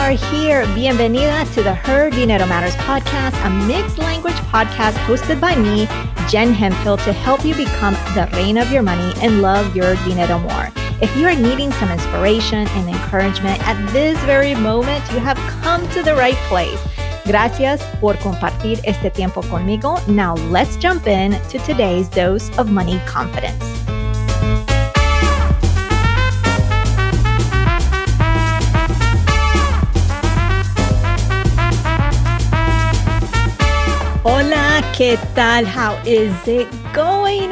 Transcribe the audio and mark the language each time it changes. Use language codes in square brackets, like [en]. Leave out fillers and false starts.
[en] Here, bienvenida to the Her Dinero Matters podcast, a mixed language podcast hosted by me, Jen Hemphill, to help you become the reina of your money and love your dinero more. If you are needing some inspiration and encouragement at this very moment, you have come to the right place. [es] Gracias por compartir este tiempo conmigo. [en] Now let's jump in to today's dose of money confidence. [es] Hola, ¿qué tal? [en] How is it going?